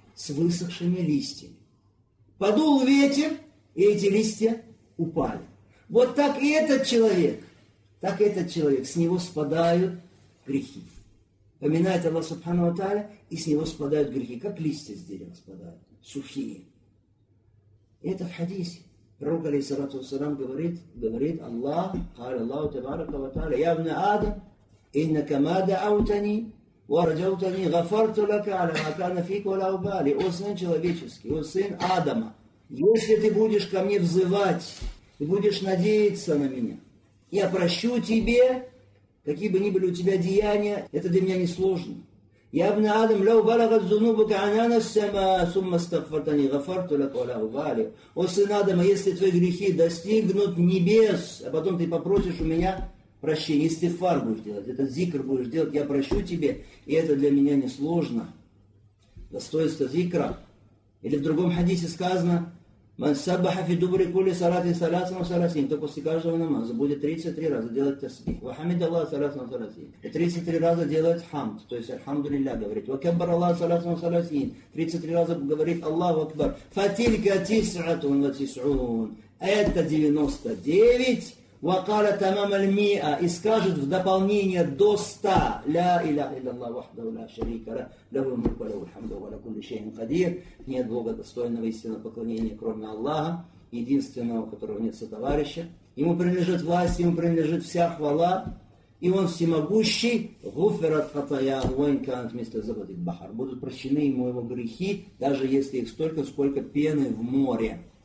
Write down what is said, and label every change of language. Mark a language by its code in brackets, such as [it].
[ru] С высохшими листьями. Подул ветер, и эти листья упали. Вот так и этот человек, так и этот человек, с него спадают грехи. Поминает Аллах Субхану ва Тааля, и с него спадают грехи, как листья с дерева спадают, сухие. И это в хадисе. Пророк, алейхиссалату вассалам, говорит Аллах, [ar] قال الله تبارك وتعالى, يا ابن آدم, إنكما دعوتني ورجوتني غفرت لك على ما كان فيك ولا أبالي. [ru] О сын человеческий, о сын Адама, если ты будешь ко мне взывать, ты будешь надеяться на меня, я прощу тебе, какие бы ни были у тебя деяния, это для меня несложно. [ar] Я ابن Адам, لو بلغت ذنوبك عنان السماء ثم استغفرتني غفرت لك ولا أبالي. [ru] О сын Адама, если твои грехи достигнут небес, а потом ты попросишь у меня прощения, истифар будешь делать, этот зикр будешь делать, я прощу тебе, и это для меня несложно. Достоинство зикра. Или в другом хадисе сказано: [ar] من سبح في دبر كل صلاة ثلاثة وثلاثين, [ru] то после каждого намаза будет 33 раза делать тасбих. [ar] وحمد الله ثلاثة وثلاثين, [ru] 33 раза делать хамд, то есть альхамдулилля говорит. [ar] وكبر الله ثلاثة وثلاثين, [ru] 33 раза говорит Аллаху Акбар. [ar] فتلك تسعة وتسعون, [ru] это 99. [ar] وقال تمام المئة, [ru] и скажет в дополнение до 100. [ar] لا إله إلا الله وحده لا شريك له له الملك وله الحمد وهو على كل شيء قدير. [ru] Нет Бога достойного истинного поклонения, кроме Аллаха, единственного, у которого нет сотоварища. Ему принадлежит власть, ему принадлежит вся хвала, и он всемогущий. [ar] غفرت خطاياه وإن كانت مثل زبد البحر, [ru] будут прощены ему его грехи, даже если их столько, сколько пены в море.